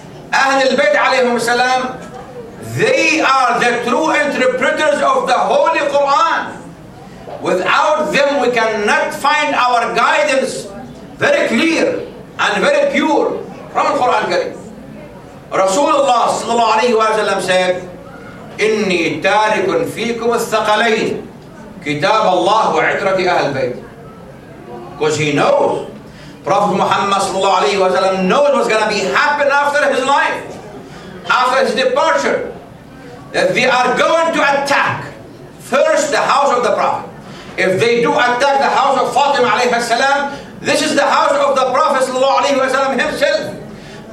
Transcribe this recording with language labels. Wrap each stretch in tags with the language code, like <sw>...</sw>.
<en>Ahlul Bayt alayhim salam, they are the true interpreters of the Holy Quran. Without them, we cannot find our guidance very clear and very pure from the Quran Kareem.</en> <ar>Rasulullah sallallahu alayhi wa sallam said, إني تارك فيكم الثقلين كتاب الله وعترة أهل البيت.</ar> <en>Because he knows. Prophet Muhammad sallallahu alayhi wa sallam knows what's going to be happen after his life, after his departure, that they are going to attack first the house of the Prophet. If they do attack the house of Fatima alayhi salam, this is the house of the Prophet sallallahu alayhi wa sallam himself.</en>